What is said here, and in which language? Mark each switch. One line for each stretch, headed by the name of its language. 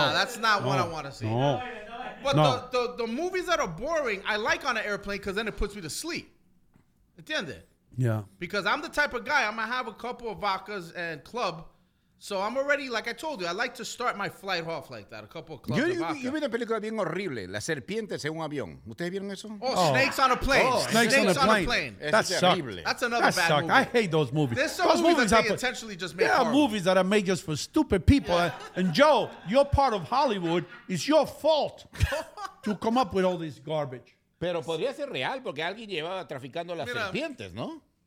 English: Nah, that's not what I want to see.
Spanish: No.
English: But no. The movies that are boring, I like on an airplane because then it puts me to sleep.
Spanish: ¿Entiendes?
English: Yeah. Because I'm the type of guy, I'm going to have a couple of vodkas and club. So I'm already, like I told you, I like to start my flight off like that, a couple of clubs.
Spanish: Yo vi una película bien horrible, La Serpiente en un Avión. ¿Ustedes vieron eso?
English: Oh, Snakes on a Plane. Oh, snakes on a plane. That's horrible. That's another bad sucked. Movie. I hate those movies. There's some movies that they intentionally just make. There are movies that are made just for stupid people. Yeah. And Joe, you're part of Hollywood. It's your fault to come up with all this garbage.
Spanish: Pero podría ser real porque alguien llevaba traficando las serpientes, ¿no?